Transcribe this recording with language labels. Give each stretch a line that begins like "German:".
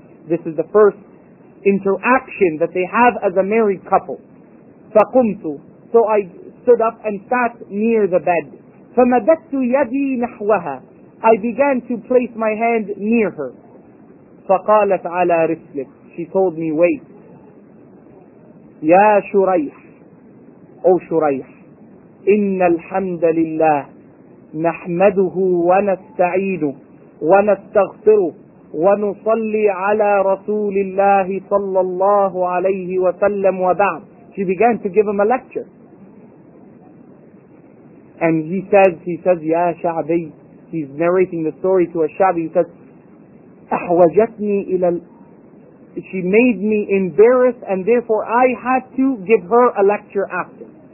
English: This is the first interaction that they have as a married couple.
Arabic: فَقُمْتُ,
English: so I stood up and sat near the bed.
Arabic: فَمَدَتُ يَدِي نَحْوَهَا,
English: I began to place my hand near her.
Arabic: فَقَالَتْ عَلَى رِسْلِكْ,
English: she told me, wait.
Arabic: Ya Shuraih, O Shuraih, إِنَّ الْحَمْدَ لِلَّهِ نَحْمَدُهُ وَنَسْتَعِينُهُ وَنَسْتَغْفِرُهُ وَنُصَلِّي عَلَى رَسُولِ اللَّهِ صَلَّى اللَّهُ عَلَيْهِ وَسَلَّمُ وَبَعْدُ.
English: She began to give him a lecture. And he says, Ya Sha'bi, he's narrating the story to Ash-Sha'bi, he says,
Arabic: أَحْوَجَتْنِي إِلَى الْأَرْضِ,
English: she made me embarrassed and therefore I had to give her a lecture after.